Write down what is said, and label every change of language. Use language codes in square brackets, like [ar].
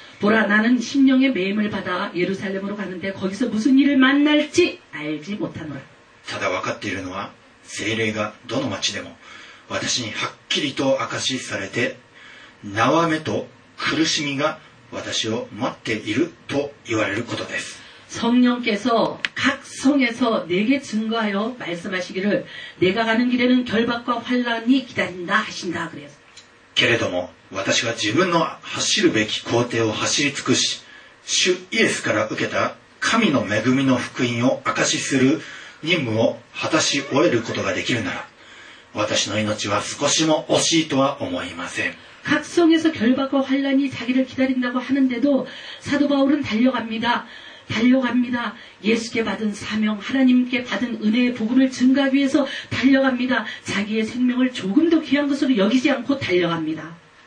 [ko] 보라나는심령의매임을받아예루살렘으로가는데거기서무슨일을만날지알지못하노라。 [ja] ただ分かっているのは聖霊がどの町でも私にはっきりと明かしされて縄目と苦しみが私を待っていると言われることです。 [ko] 성령께서 각 성에서 내게 증거하여 말씀하시기를 내가 가는 길에는 결박과 환난이 기다린다 하신다 그래서. [ja] けれども私は自分の走るべき行程を走り尽くし主イエスから受けた神の恵みの福音を証しする任務を果たし終えることができるなら私の命は少しも惜しいとは思いません。 [ko] 각 성에서 결박과 환난이 자기를 기다린다고 하는데도 사도 바울은 달려갑니다. 달려갑니다. 예수께 받은 사명, 하나님께 받은 은혜의 복음을 증가하기 위해서 달려갑니다. 자기의 생명을 조금도 귀한 것으로 여기지 않고 달려갑니다.